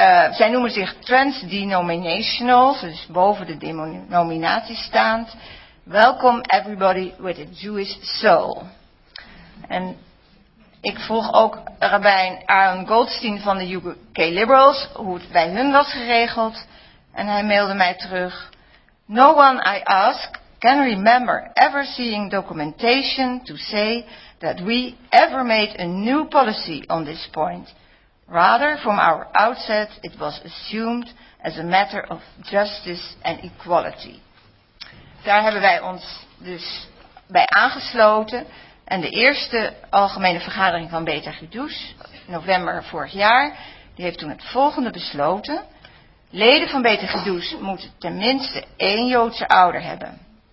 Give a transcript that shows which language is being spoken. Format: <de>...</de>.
<nl>Zij noemen zich transdenominational, dus boven de denominatie staand.</nl> <en>Welcome everybody with a Jewish soul.</en> <nl>En ik vroeg ook rabbijn Aaron Goldstein van de UK Liberals hoe het bij hun was geregeld. En hij mailde mij terug:</nl> <en>No one I ask can remember ever seeing documentation to say that we ever made a new policy on this point. Rather, from our outset, it was assumed as a matter of justice and equality.</en> <nl>Daar hebben wij ons dus bij aangesloten. En de eerste algemene vergadering van Beta Gidoes, november vorig jaar, die heeft toen het volgende besloten. Leden van Beta Gidoes moeten tenminste één Joodse ouder hebben.</nl>